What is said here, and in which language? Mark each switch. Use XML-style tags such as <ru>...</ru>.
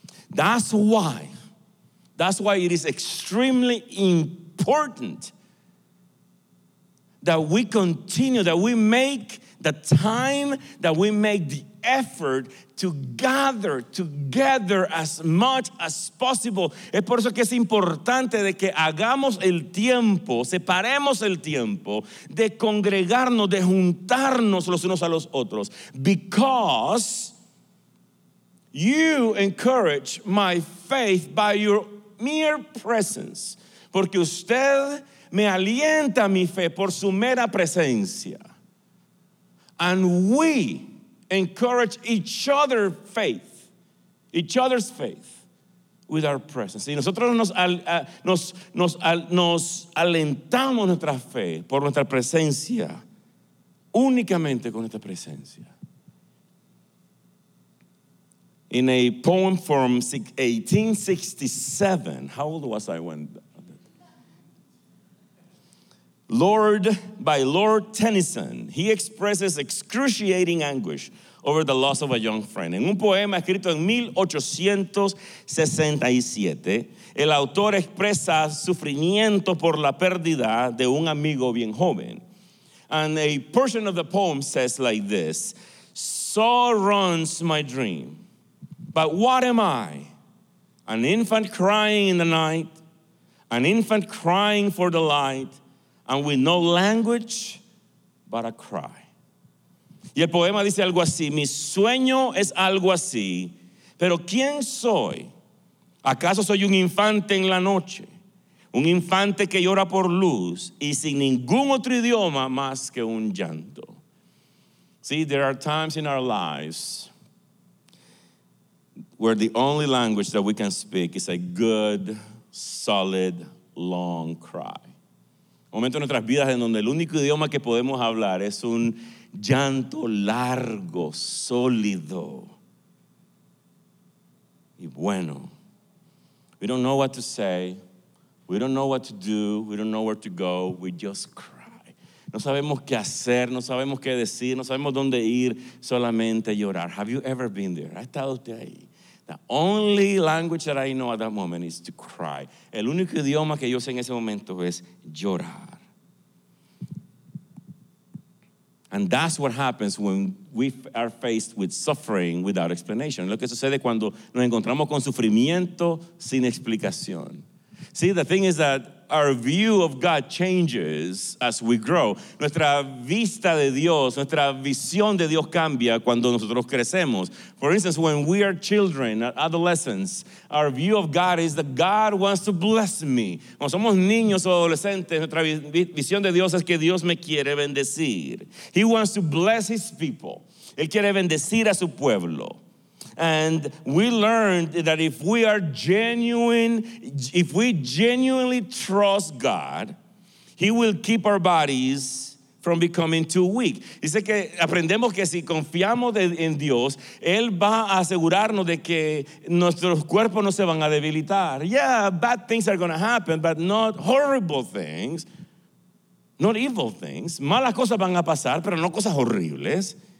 <en>That's why it is extremely important that we continue, that we make the time, that we make the effort to gather together as much as possible.</en> <es>Es por eso que es importante de que hagamos el tiempo, separemos el tiempo de congregarnos, de juntarnos los unos a los otros.</es> <en>Because you encourage my faith by your mere presence.</en> <es>porque usted me alienta mi fe por su mera presencia.</es> <en>And we encourage each other's faith with our presence.</en> <es>Y nosotros nos alentamos nuestra fe por nuestra presencia, únicamente con nuestra presencia.</es> <en>In a poem from 1867, how old was I when? By Lord Tennyson, he expresses excruciating anguish over the loss of a young friend.</en> <es>En un poema escrito en 1867, el autor expresa sufrimiento por la pérdida de un amigo bien joven.</es> <en>And a portion of the poem says like this: "So runs my dream, but what am I? An infant crying in the night, an infant crying for the light, and with no language but a cry."</en> <es>Y el poema dice algo así: mi sueño es algo así, pero ¿quién soy? ¿Acaso soy un infante en la noche? Un infante que llora por luz y sin ningún otro idioma más que un llanto.</es> <en>See, there are times in our lives where the only language that we can speak is a good, solid, long cry.</en> <es>Momento en nuestras vidas en donde el único idioma que podemos hablar es un llanto largo, sólido y bueno.</es> <en>We don't know what to say. We don't know what to do. We don't know where to go. We just cry.</en> <es>No sabemos qué hacer, no sabemos qué decir, no sabemos dónde ir, solamente llorar.</es> <en>Have you ever been there?</en> <es>¿Ha estado usted ahí?</es> <en>The only language that I know at that moment is to cry.</en> <es>El único idioma que yo sé en ese momento es llorar.</es> <en>And that's what happens when we are faced with suffering without explanation.</en> <es>Lo que sucede cuando nos encontramos con sufrimiento sin explicación.</es> <en>See, the thing is that our view of God changes as we grow.</en> <es>Nuestra vista de Dios, nuestra visión de Dios cambia cuando nosotros crecemos.</es> <en>For instance, when we are children, adolescents, our view of God is that God wants to bless me.</en> <es>Cuando somos niños o adolescentes, nuestra visión de Dios es que Dios me quiere bendecir.</es> <en>He wants to bless his people.</en> <es>Él quiere bendecir a su pueblo.</es> <en>And we learned that if we genuinely trust God, he will keep our bodies from becoming too weak.</en> <es>Dice que aprendemos que si confiamos en Dios, él va a asegurarnos de que nuestros cuerpos no se van a debilitar.</es> <en>Yeah, bad things are going to happen, but not horrible things, not evil things.</en> <es>Malas cosas van a pasar, pero no cosas horribles.</es>